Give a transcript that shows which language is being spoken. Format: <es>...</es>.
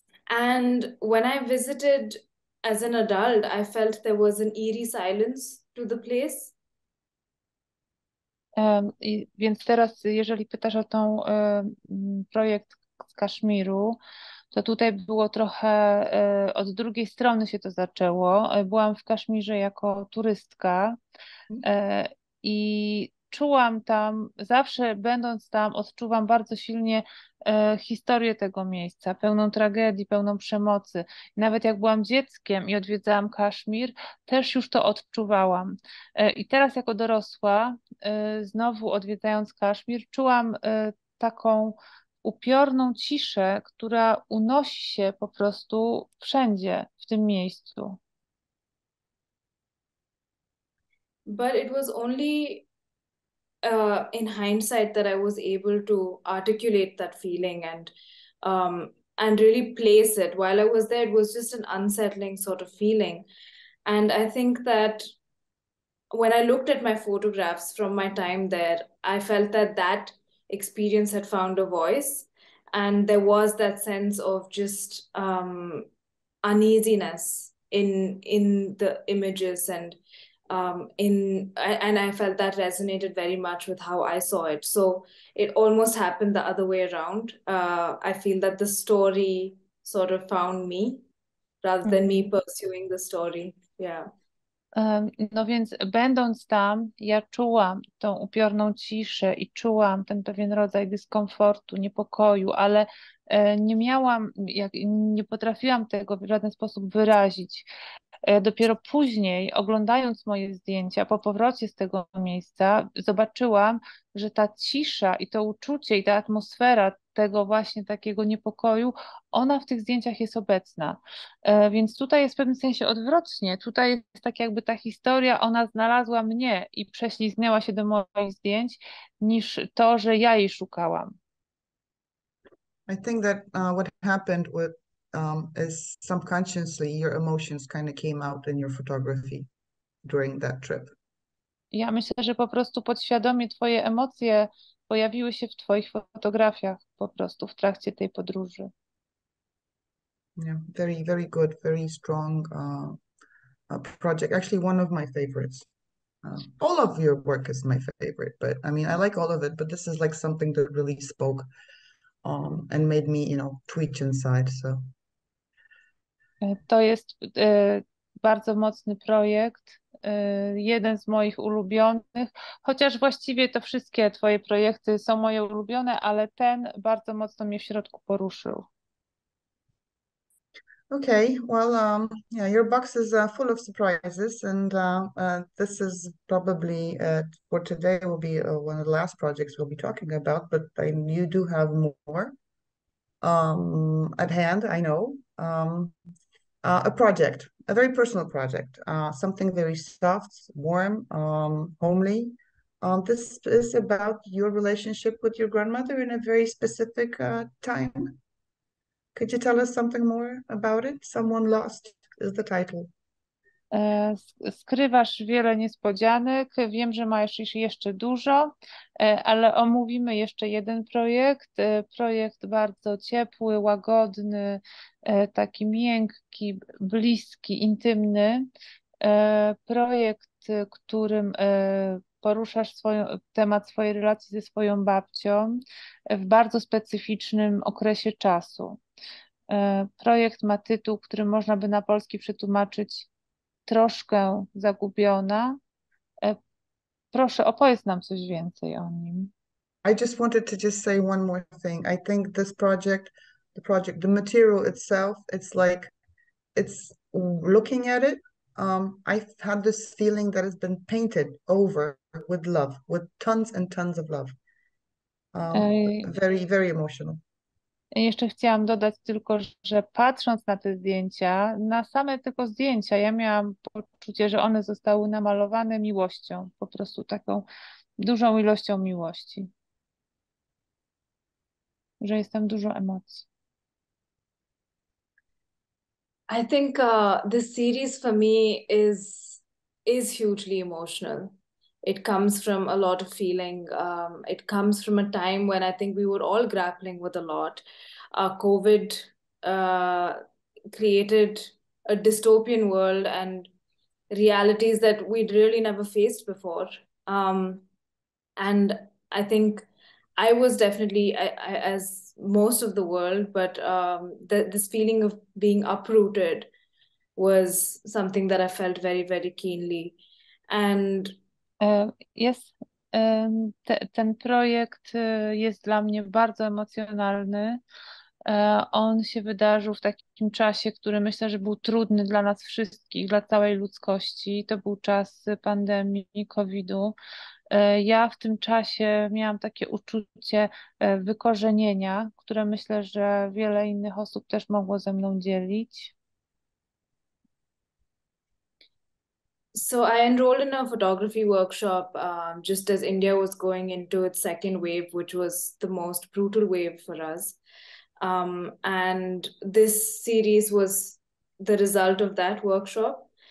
<en>And when I visited as an adult, I felt there was an eerie silence to the place.</en> <pl>Więc teraz, jeżeli pytasz o tą projekt z Kaszmiru, to tutaj było trochę, od drugiej strony się to zaczęło. Byłam w Kaszmirze jako turystka i czułam tam, zawsze będąc tam, odczuwam bardzo silnie historię tego miejsca, pełną tragedii, pełną przemocy. Nawet jak byłam dzieckiem i odwiedzałam Kaszmir, też już to odczuwałam. I teraz jako dorosła, znowu odwiedzając Kaszmir, czułam taką upiorną ciszę, która unosi się po prostu wszędzie w tym miejscu.</pl> <en>But it was only in hindsight that I was able to articulate that feeling and really place it. While I was there, it was just an unsettling sort of feeling. And I think that when I looked at my photographs from my time there, I felt that that experience had found a voice, and there was that sense of just uneasiness in the images and and I felt that resonated very much with how I saw it. So it almost happened the other way around. I feel that the story sort of found me rather than me pursuing the story. Yeah.</en> <pl>No więc będąc tam, ja czułam tą upiorną ciszę i czułam ten pewien rodzaj dyskomfortu, niepokoju, ale nie miałam, nie potrafiłam tego w żaden sposób wyrazić. Dopiero później, oglądając moje zdjęcia po powrocie z tego miejsca, zobaczyłam, że ta cisza i to uczucie i ta atmosfera tego właśnie takiego niepokoju, ona w tych zdjęciach jest obecna. Więc tutaj jest w pewnym sensie odwrotnie. Tutaj jest tak jakby ta historia, ona znalazła mnie i prześlizgnęła się do moich zdjęć, niż to, że ja jej szukałam.</pl> <en>I think that what happened with is subconsciously your emotions kind of came out in your photography during that trip.</en> <pl>Ja myślę, że po prostu podświadomie twoje emocje pojawiły się w twoich fotografiach po prostu w trakcie tej podróży.</pl> <en>Yeah, very, very good, very strong project. Actually, one of my favorites. All of your work is my favorite, but I mean, I like all of it, but this is like something that really spoke and made me, you know, twitch inside, so.</en> <pl>To jest bardzo mocny projekt. Jeden z moich ulubionych, chociaż właściwie to wszystkie twoje projekty są moje ulubione, ale ten bardzo mocno mnie w środku poruszył.</pl> <en>Okay, well, yeah, your box is full of surprises, and this is probably for today will be one of the last projects we'll be talking about, but you do have more. at hand, I know, a project, a very personal project, something very soft, warm, homely. This is about your relationship with your grandmother in a very specific time. Could you tell us something more about it? Someone Lost is the title.</en> <pl>Skrywasz wiele niespodzianek. Wiem, że masz jeszcze dużo, ale omówimy jeszcze jeden projekt. Projekt bardzo ciepły, łagodny, taki miękki, bliski, intymny. Projekt, którym poruszasz temat swojej relacji ze swoją babcią w bardzo specyficznym okresie czasu. Projekt ma tytuł, który można by na polski przetłumaczyć Troszkę zagubiona. Proszę, opowiedz nam coś więcej o nim.</pl> <en>I just wanted to just say one more thing. I think this project, the material itself, it's like, it's looking at it. I've had this feeling that it's been painted over with love, with tons and tons of love. Very, very emotional.</en> <pl>Jeszcze chciałam dodać tylko, że patrząc na te zdjęcia, na same tylko zdjęcia, ja miałam poczucie, że one zostały namalowane miłością, po prostu taką dużą ilością miłości. Że jest tam dużo emocji.</pl> <en>I think this series for me is hugely emotional. It comes from a lot of feeling. It comes from a time when I think we were all grappling with a lot. COVID created a dystopian world and realities that we'd really never faced before. And I think I was definitely, as most of the world, but this feeling of being uprooted was something that I felt very, very keenly. And</en> <pl>jest, ten projekt jest dla mnie bardzo emocjonalny. On się wydarzył w takim czasie, który myślę, że był trudny dla nas wszystkich, dla całej ludzkości. To był czas pandemii COVID-u. Ja w tym czasie miałam takie uczucie wykorzenienia, które myślę, że wiele innych osób też mogło ze mną dzielić.</pl> <en>So I enrolled in a photography workshop just as India was going into its second wave, which was the most brutal wave for us. And this series was the result of that workshop.</en>